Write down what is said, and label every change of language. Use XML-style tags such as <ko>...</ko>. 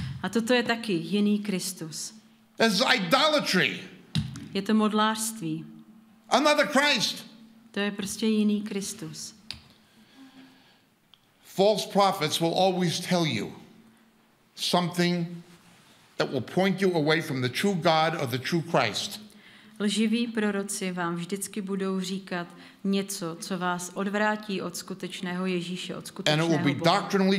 <cs>A toto je taky jiný Kristus.</cs> <en>That is idolatry.</en> <cs>Je to modlářství.</cs> <en>Another Christ.</en> <cs>To je prostě jiný Kristus.</cs> <en>False prophets will always tell you something that will point you away from the true God or the true Christ.</en> <cs>Lživí proroci vám vždycky budou říkat něco, co vás odvrátí od skutečného Ježíše, od skutečného Boha.</cs>